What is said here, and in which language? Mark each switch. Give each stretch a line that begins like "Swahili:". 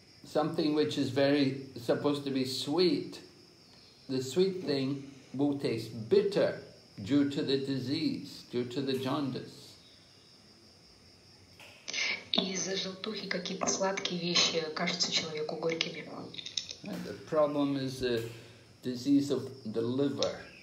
English: Something which is very supposed to be sweet, the sweet thing will taste bitter due to the disease, due to the jaundice.
Russian: Из-за желтухи какие-то сладкие вещи кажутся человеку горькими.
English: And the problem is the disease of the liver.